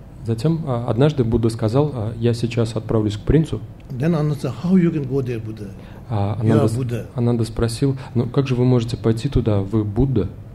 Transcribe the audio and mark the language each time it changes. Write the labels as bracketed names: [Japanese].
[Russian] Затем однажды Будда сказал, я сейчас отправлюсь к принцу. [English] Then Ananda said, how you can go there, Buddha? [Russian] Ананда спросил, ну как же вы можете пойти туда, вы Будда?